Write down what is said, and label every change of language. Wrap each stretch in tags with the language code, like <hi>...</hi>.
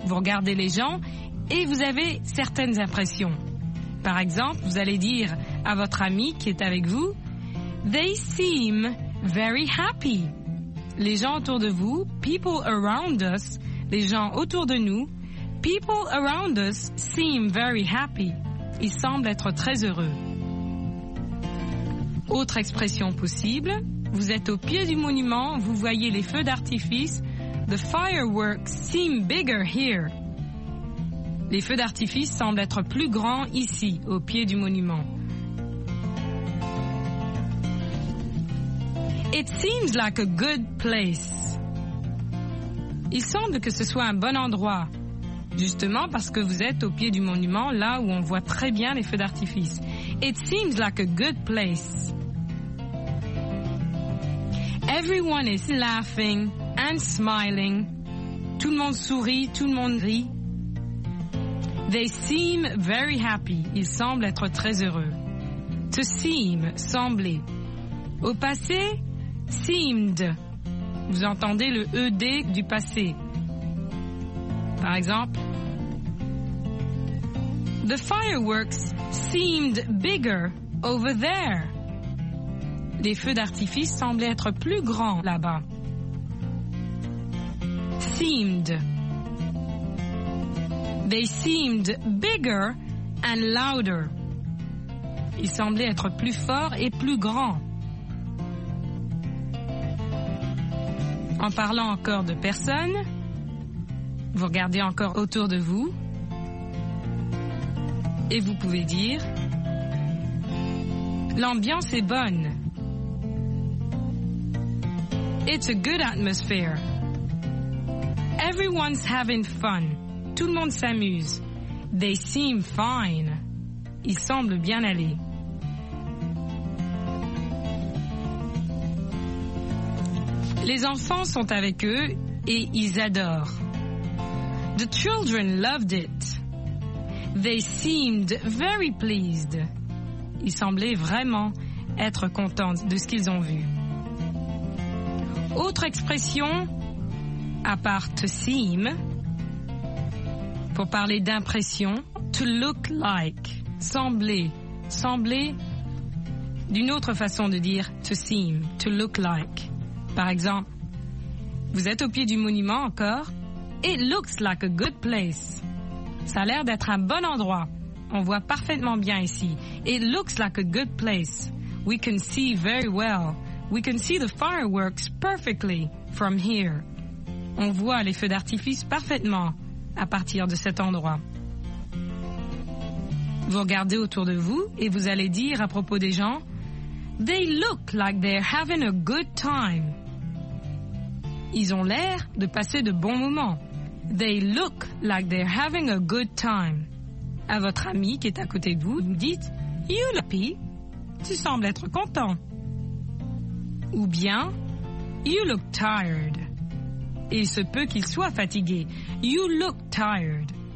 <fr>Vous regardez les gens et vous avez certaines impressions. Par exemple, vous allez dire à votre ami qui est avec vous «</fr> <en>They seem very happy ».</en> <fr>Les gens autour de vous, «</fr> <en>People around us</en> <fr>», les gens autour de nous,</fr> <en>People around us seem very happy.</en> <fr>Ils semblent être très heureux. Autre expression possible, vous êtes au pied du monument, vous voyez les feux d'artifice.</fr> <en>The fireworks seem bigger here.</en> <fr>Les feux d'artifice semblent être plus grands ici, au pied du monument.</fr> <en>It seems like a good place.</en> <fr>Il semble que ce soit un bon endroit, justement parce que vous êtes au pied du monument, là où on voit très bien les feux d'artifice.</fr> <en>It seems like a good place. Everyone is laughing and smiling.</en> <fr>Tout le monde sourit, tout le monde rit.</fr> <en>They seem very happy.</en> <fr>Ils semblent être très heureux.</fr> <en>To seem,</en> <fr>sembler. Au passé, seemed. Vous entendez le ED du passé. Par exemple,</fr> <en>the fireworks seemed bigger over there.</en> <fr>Les feux d'artifice semblaient être plus grands là-bas.</fr> <en>Seemed. They seemed bigger and louder.</en> <fr>Ils semblaient être plus forts et plus grands. En parlant encore de personnes, vous regardez encore autour de vous et vous pouvez dire l'ambiance est bonne.</fr> <en>It's a good atmosphere. Everyone's having fun.</en> <fr>Tout le monde s'amuse.</fr> <en>They seem fine.</en> <fr>Ils semblent bien aller. Les enfants sont avec eux et ils adorent.</fr> <en>The children loved it. They seemed very pleased.</en> <fr>Ils semblaient vraiment être contents de ce qu'ils ont vu. Autre expression, à part to seem, pour parler d'impression, to look like, sembler, sembler, d'une autre façon de dire to seem, to look like. Par exemple, vous êtes au pied du monument encore,</fr> <en>it looks like a good place.</en> <fr>Ça a l'air d'être un bon endroit, on voit parfaitement bien ici.</fr> <en>It looks like a good place, we can see very well. We can see the fireworks perfectly from here.</en> <fr>On voit les feux d'artifice parfaitement à partir de cet endroit. Vous regardez autour de vous et vous allez dire à propos des gens,</fr> <en>they look like they're having a good time.</en> <fr>Ils ont l'air de passer de bons moments.</fr> <en>They look like they're having a good time.</en> <fr>À votre ami qui est à côté de vous, vous dites,</fr> <en>you look,</en> <fr>tu sembles être content. Ou bien,</fr> <en>you look tired.</en> <fr>Il se peut qu'il soit fatigué.</fr> <en>You look tired.</en>